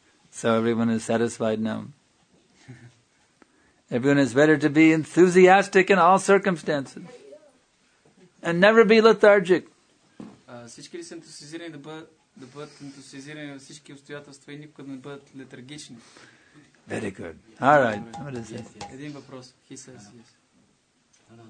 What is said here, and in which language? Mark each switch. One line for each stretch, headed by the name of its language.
English: So everyone is satisfied now. Everyone is better to be enthusiastic in all circumstances and never be lethargic.
Bulgarian: Всички ли са ентусиазирани да бъдат ентусиазирани във всички обстоятелства и никога да не бъдат летаргични?
English: Very good. All right. What is it?
Bulgarian: Един въпрос.
English: He says yes.